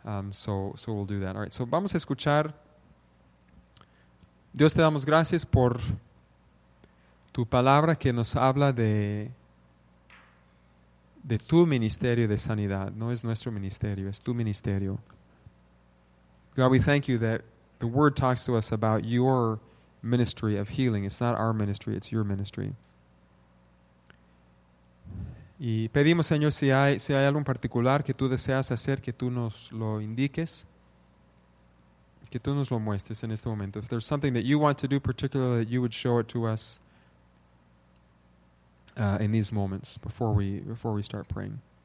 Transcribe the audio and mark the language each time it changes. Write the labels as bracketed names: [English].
[English] So we'll do that. All right, so [Spanish] vamos a escuchar. Dios, te damos gracias por tu palabra que nos habla de, de tu ministerio de sanidad. No es nuestro ministerio, es tu ministerio. [English] God, we thank you that the word talks to us about your ministry of healing. It's not our ministry, it's your ministry. [Spanish] Y pedimos, Señor, si hay algo en particular que tú deseas hacer, que tú nos lo indiques, que tú nos lo muestres en este momento. [English] If there's something that you want to do particularly, that you would show it to us in these moments before we start praying.